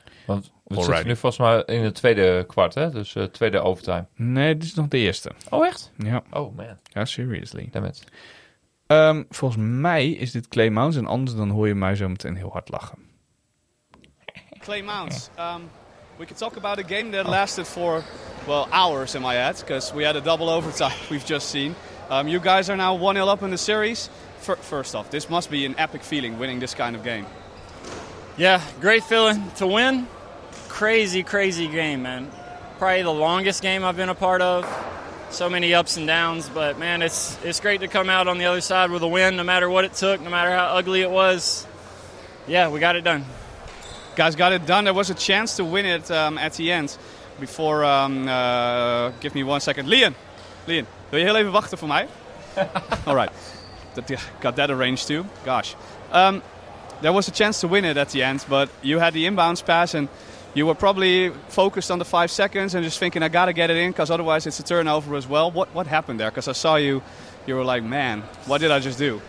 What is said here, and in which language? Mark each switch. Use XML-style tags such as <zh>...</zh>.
<nl>Want we zitten nu volgens mij in het tweede kwart, hè? Dus tweede overtime. Nee, dit is nog de eerste. Oh, echt? Ja. Oh, man. Ja, seriously.</nl> <en>Damn it.</en> <nl>Volgens mij is dit Klee Mounts. En anders dan hoor je mij zo meteen heel hard lachen. Klee Mounts.</nl> <en>We could talk about a game that lasted for, well, hours, am I at? Because we had a double overtime we've just seen. You guys are now 1-0 up in the series. First off, this must be an epic feeling, winning this kind of game. Yeah, great feeling to win. Crazy, crazy game, man. Probably the longest game I've been a part of. So many ups and downs, but man, it's great to come out on the other side with a win, no matter what it took, no matter how ugly it was. Yeah, we got it done. Guys got it done. There was a chance to win it at the end. Before, give me 1 second.</en> <nl>Leon, wil je heel even wachten voor mij?</nl> <en>All right. Got that arranged too. Gosh. There was a chance to win it at the end, but you had the inbounds pass and you were probably focused on the 5 seconds and just thinking, I got to get it in because otherwise it's a turnover as well. What happened there? Because I saw you. You were like, man, what did I just do?</en>